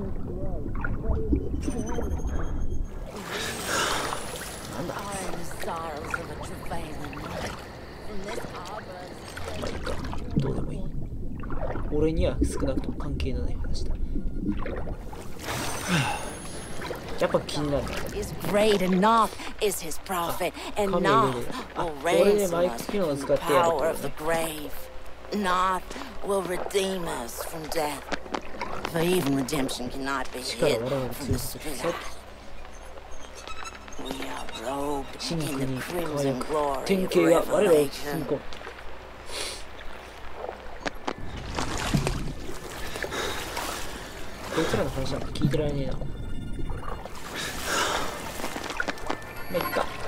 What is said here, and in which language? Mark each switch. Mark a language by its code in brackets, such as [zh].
[ja] なんだ、まあいいか、どうでもいい。俺には少なくとも関係のない話だ。やっぱ気になる。あ、神の命令。あ、俺ね、マイク機能を使ってやるからね。 [en] Not will redeem us from death. For even redemption cannot be hid from the spirit. We are robed in the crimson glory of revelation. [ja] こいつらの話なんか聞いてられねえな。まいっか。